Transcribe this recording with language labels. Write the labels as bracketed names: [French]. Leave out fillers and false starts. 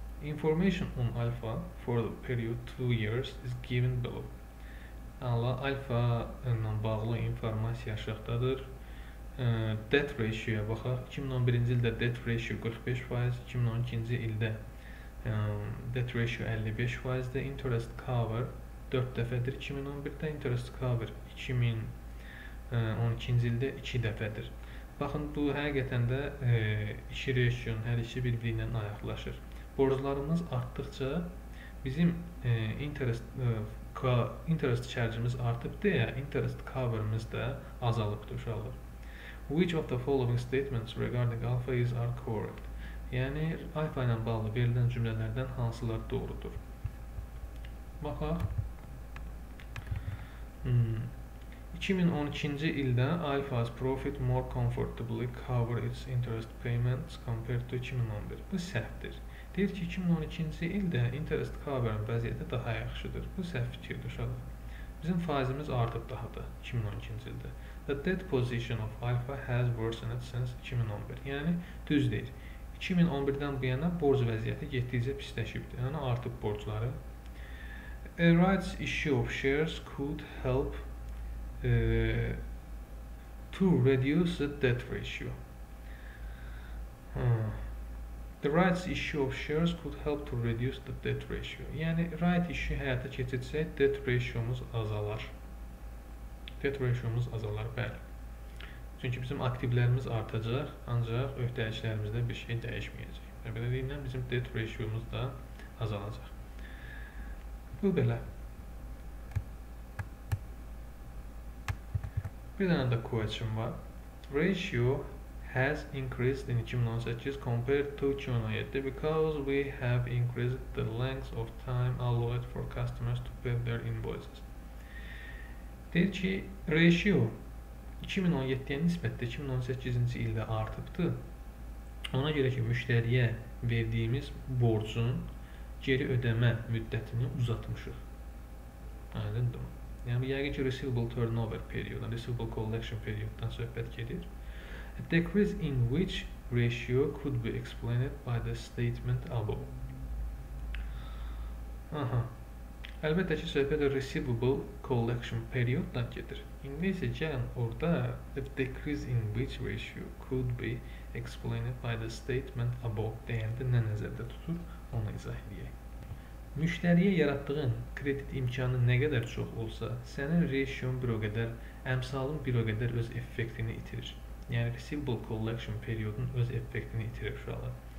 [English] Information on alpha for the period 2 years is given below. [Azerbaijani] Alpha ilə bağlı informasiya aşağıdadır. Debt ratio-ya baxaq. 2011-ci ildə debt ratio 45%, 2012-ci ildə debt ratio 55%-dir. Interest cover 4 dəfədir 2011-də, interest cover 2012-ci ildə 2 dəfədir. Baxın, bu həqiqətən də iki ratio-nun hər ikisi bir-biri ilə ayaqlaşır. Borclarımız artdıqca bizim interest çərcimiz artıb deyə interest cover-ımız da azalıbdır uşaqlar. [English] Which of the following statements regarding alpha is are correct? [Azerbaijani] Yəni, alpha ilə bağlı verilən cümlələrdən hansılar doğrudur? Baxaq. [English] 2012-ci ildə alpha's profit more comfortably cover its interest payments compared to 2011. [Azerbaijani] Bu səhvdir. Deyir ki, 2012-ci ildə interest cover-ın vəziyyəti daha yaxşıdır. Bu səhv fikirdir uşaqlar. Bizim faizimiz artıb daha da 2012-ci ildə. [English] The debt position of Alpha has worsened since 2011. [Azerbaijani] Yəni, düz deyir. 2011-dən bu yana borc vəziyyəti getdikcə pisləşibdir. Yəni, artıb borcları. [English] A rights issue of shares could help to reduce the debt ratio. The rights issue of shares could help to reduce the debt ratio. [Azerbaijani] Yəni, right issue həyata keçirsə, debt ratio-muz azalar. Debt ratio-muz azalar, bəli. Çünki bizim aktivlərimiz artacaq, ancaq öhdəliklərimizdə bir şey dəyişməyəcək. Və belə deyilən, bizim debt ratio-muz da azalacaq. Bu belə. Bir dənə də question var. [English] Ratio has increased in 2018 compared to 2017 because we have increased the length of time allowed for customers to pay their invoices. [Azerbaijani] Deyir ki, ratio 2017-yə nisbətdə 2018-ci ildə artıbdır. Ona görə ki, müştəriyə verdiyimiz borcun geri ödəmə müddətini uzatmışıq. Aydındır mı? Yəni yəqin ki receivable turnover periodu, receivable collection periodundan söhbət gedir. [English] A decrease in which ratio could be explained by the statement above. Aha. [Azerbaijani] Əlbəttə ki söhbət receivable collection periodundan gedir. İndi isə gəlin orada [English] a decrease in which ratio could be explained by the statement above [Azerbaijani] deyəndə nə nəzərdə tutur, onu izah edək. Müştəriyə yaratdığın kredit imkanı nə qədər çox olsa, sənin ratio'un bir o qədər, əmsalın bir o qədər öz effektini itirir. Yəni, receivable collection periodun öz effektini itirir şuralı.